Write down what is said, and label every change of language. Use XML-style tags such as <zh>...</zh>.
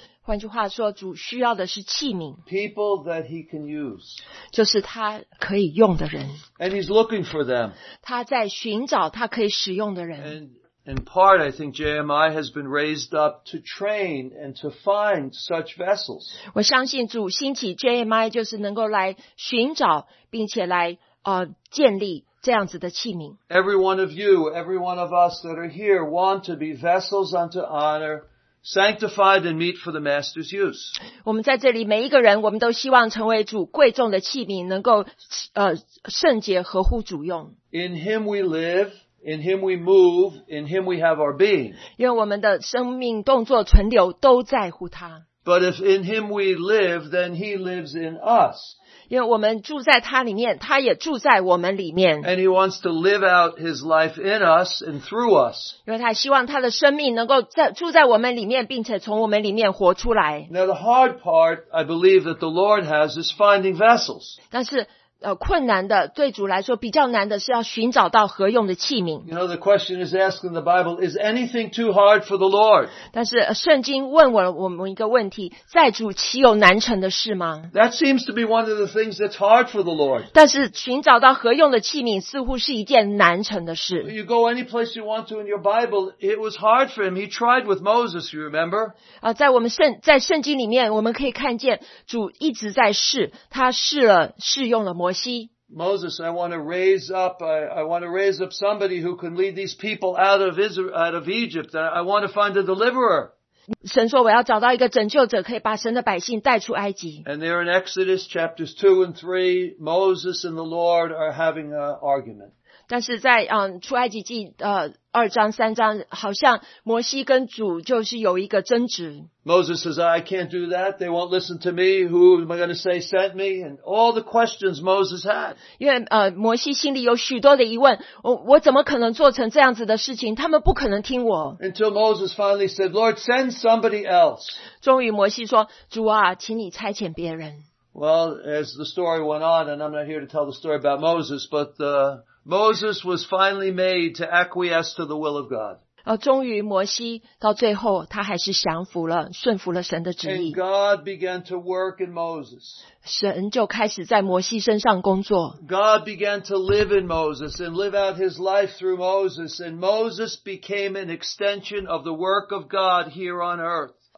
<zh>换句话说，主需要的是器皿。</zh> <en>People that He can use.</en> <zh>就是他可以用的人。</zh> <en>And He's looking for them.</en> <zh>他在寻找他可以使用的人。</zh> <en>And in part, I think JMI has been raised up to train and to find such vessels.</en> <zh>我相信主兴起 JMI 就是能够来寻找并且来建立。这样子的器皿。</zh> <en>Every one of you, every one of us that are here want to be vessels unto honor, sanctified and meet for the Master's use.</en> <zh>我们在这里每一个人，我们都希望成为主贵重的器皿，能够圣洁合乎主用。</zh> <en>In Him we live, in Him we move, in Him we have our being.</en> <zh>因为我们的生命、动作、存留都在乎他。</zh> <en>But if in Him we live, then He lives in us.</en> <zh>因为我们住在他里面，他也住在我们里面。</zh> <en>And He wants to live out His life in us and through us.</en> <zh>因为他希望他的生命能够住在我们里面，并且从我们里面活出来。</zh> <en>Now the hard part, I believe that the Lord has is finding vessels.</en> <zh>但是困难的，对主来说比较难的是要寻找到合用的器皿。</zh> <en>You know, the question is asked in the Bible, is anything too hard for the Lord?</en> <zh>但是圣经问我们一个问题，在主岂有难成的事吗？</zh> <en>That seems to be one of the things that's hard for the Lord.</en> <zh>但是寻找到合用的器皿似乎是一件难成的事。</zh> <en>You go any place you want to in your Bible, it was hard for him. He tried with Moses, you remember?</en> <zh>在圣经里面我们可以看见主一直在试，他试用了摩西。</zh> <en>Moses, I want to raise up somebody who can lead these people out of Egypt. I want to find a deliverer.</en> <zh>神说我要找到一个拯救者，可以把神的百姓带出埃及。</zh> <en>And there in Exodus chapters 2 and 3, Moses and the Lord are having an argument.</en> <zh>但是在出埃及记二章三章，好像摩西跟主就是有一个争执。</zh> <en>Moses says, I can't do that. They won't listen to me. Who am I going to say sent me? And all the questions Moses had.</en> <zh>因为摩西心里有许多的疑问，我怎么可能做成这样子的事情？他们不可能听我。</zh> <en>Until Moses finally said, Lord, send somebody else.</en> <zh>终于摩西说，主啊，请你差遣别人。</zh> <en>Well, as the story went on, and I'm not here to tell the story about Moses, but Moses was finally made to acquiesce to the will of God.</en> <zh>终于摩西到最后他还是降服了，顺服了神的旨意。</zh> <en>And God began to work in Moses.</en> <zh>神就开始在摩西身上工作。</zh> <en>God began to live in Moses and live out his life through Moses, and Moses became an extension of the work of God here on earth.</en>